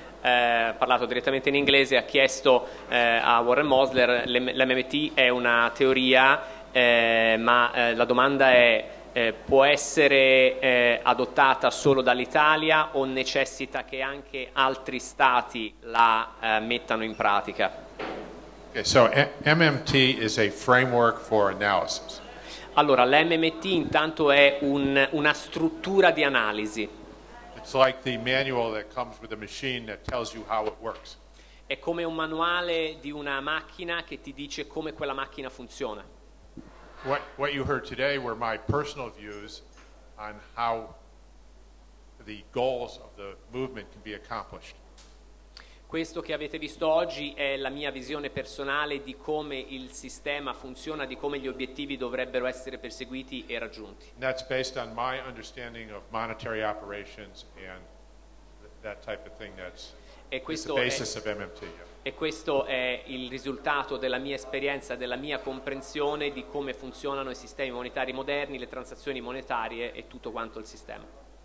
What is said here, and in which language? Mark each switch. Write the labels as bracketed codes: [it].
[it] Parlato direttamente in inglese, ha chiesto a Warren Mosler, l'MMT è una teoria, ma la domanda è, può essere adottata solo dall'Italia o necessita che anche altri stati la mettano in pratica? [en] Okay, so MMT is a framework for analysis. [it] Allora, l'MMT intanto è una struttura di analisi. [en] It's like the manual that comes with a machine that tells you how it works. [it] È come un manuale di una macchina che ti dice come quella macchina funziona. [en] What you heard today were my personal views on how the goals of the movement can be accomplished. [it] Questo che avete visto oggi è la mia visione personale di come il sistema funziona, di come gli obiettivi dovrebbero essere perseguiti e raggiunti. [en] That's based on my understanding of monetary operations and that type of thing that's the basis of MMT. [it] E questo è il risultato della mia esperienza, della mia comprensione di come funzionano i sistemi monetari moderni, le transazioni monetarie e tutto quanto il sistema.